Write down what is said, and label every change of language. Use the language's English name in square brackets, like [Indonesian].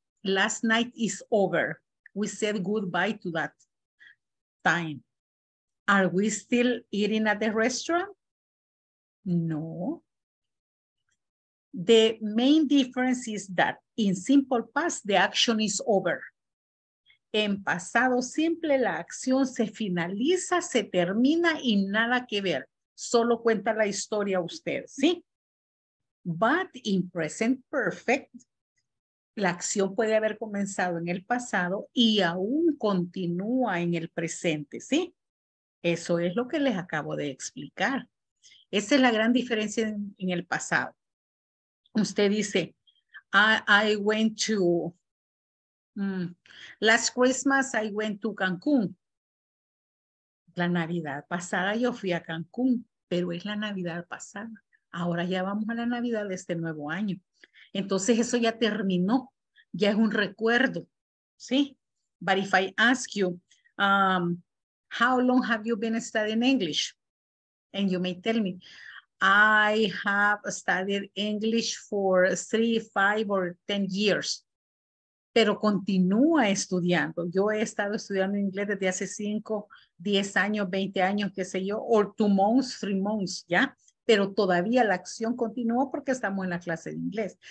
[English] Last night is over. We said goodbye to that time. Are we still eating at the restaurant? No. The main difference is that in simple past, the action is over. [Spanish] En pasado simple, la acción se finaliza, se termina y nada que ver. Solo cuenta la historia usted, ¿sí? [English] But in present perfect, [Spanish] la acción puede haber comenzado en el pasado y aún continúa en el presente, ¿sí? Eso es lo que les acabo de explicar. Esa es la gran diferencia en el pasado. Usted dice, [English] last Christmas I went to Cancún. [Spanish] La Navidad pasada yo fui a Cancún, pero es la Navidad pasada. Ahora ya vamos a la Navidad de este nuevo año. Entonces eso ya terminó, ya es un recuerdo, ¿sí? [English] But if I ask you, how long have you been studying English? And you may tell me, I have studied English for 3, 5, or 10 years. [Spanish] Pero continúa estudiando. Yo he estado estudiando inglés desde hace 5, 10 años, 20 años, qué sé yo, [English] or 2 months, 3 months, [Spanish] ¿ya? Pero todavía la acción continúa porque estamos en la clase de inglés.